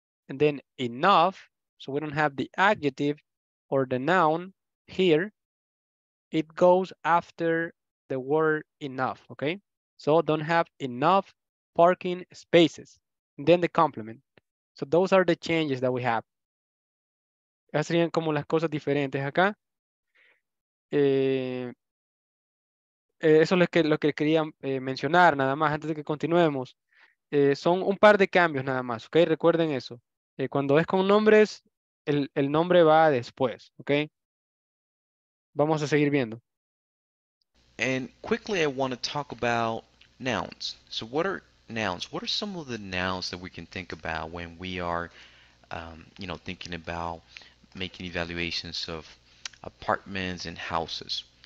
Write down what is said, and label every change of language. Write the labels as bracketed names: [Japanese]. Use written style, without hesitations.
[English] and then enough. So we don't have the adjective or the noun here. It goes after the word enough, okay? So don't have enough parking spaces. And then the complement. So those are the changes that we have. [Spanish] Esas serían como las cosas diferentes acá. Eso es lo que quería mencionar, nada más, antes de que continuemos. Son un par de cambios nada más, ¿ok? Recuerden eso. Cuando es con nombres, el nombre va después, ¿ok? Vamos a seguir viendo. [English] And quickly, I want to talk about nouns. So what are nouns? What are some of the nouns that we can think about when we are, you know, thinking about making evaluations of apartments and houses?